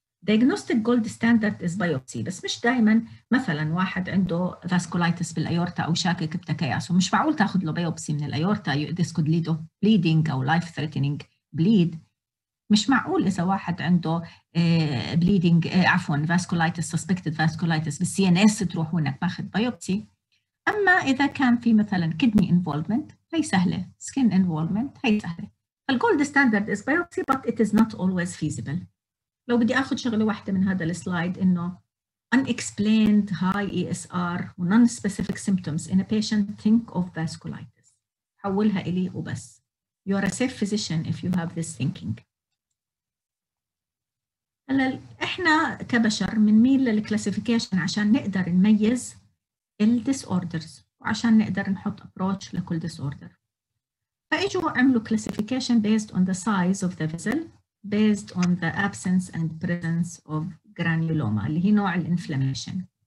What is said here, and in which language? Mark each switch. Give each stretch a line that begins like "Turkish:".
English: Diagnostic gold standard is biopsy،
Arabic: بس مش دائما مثلا واحد عنده vasculitis بالأيورتا أو شاكك بتكياسه، مش معقول تأخذ له بيوبسي من الأيورتا،
English: this could lead to bleeding
Arabic: أو
English: life threatening bleed.
Arabic: مش معقول إذا واحد عنده bleeding عفواً vasculitis suspected vasculitis بالـ CNS تروح هناك باخذ بيوبسي. أما إذا كان في مثلاً kidney involvement هي سهلة، skin involvement هي سهلة.
English: الgold standard is biopsy but it is not always feasible.
Arabic: لو بدي أخذ شغلة واحدة من هذا السلايد إنه
English: unexplained high ESR non-specific symptoms in a patient think of vasculitis،
Arabic: حولها إلي وبس.
English: You are a safe physician if you have this thinking.
Arabic: هلا احنا كبشر بنميل للكلاسيفيكيشن عشان نقدر نميز الديس اوردرز وعشان نقدر نحط ابروتش لكل ديس اوردر. فاجوا عملوا
English: classification based on the size of the vessel, based on the absence and presence of granuloma
Arabic: اللي هي نوع الانفلاميشن.